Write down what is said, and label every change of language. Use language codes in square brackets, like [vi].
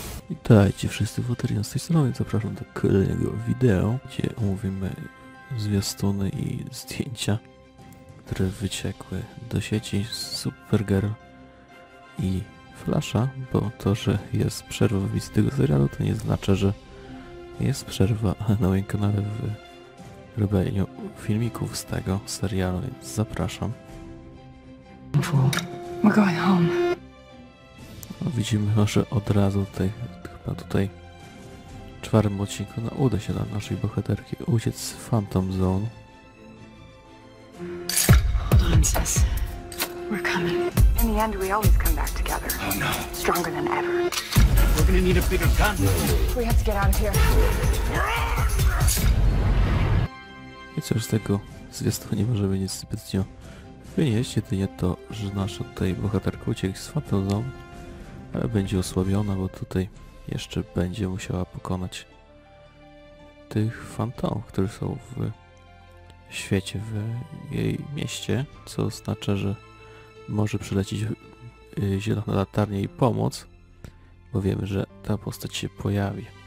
[pl] Witajcie wszyscy Woterian z tej strony, zapraszam do kolejnego wideo, gdzie omówimy zwiastuny i zdjęcia, które wyciekły do sieci z Supergirl i Flasha, bo to, że jest przerwa w misji tego serialu, to nie znaczy, że jest przerwa na moim kanale w robieniu filmików z tego serialu, więc zapraszam. [en] We're going home. [pl] Widzimy może od razu tutaj, chyba tutaj w czwartym odcinku, no uda się nam naszej bohaterki uciec z Phantom Zone. [en] Hold on, sis. We're coming. In the end, we always come back together. Oh no. Stronger than ever. We're gonna need a bigger gun. We have to get out of here. [pl] I cóż, z tego zwiastunu nie możemy nic zbytnio wynieść, jedynie to, że nasza tutaj bohaterka uciekł z Phantom Zone. Ale będzie osłabiona, bo tutaj jeszcze będzie musiała pokonać tych fantomów, które są w świecie, w jej mieście, co oznacza, że może przylecieć zielona latarnia i pomóc, bo wiemy, że ta postać się pojawi.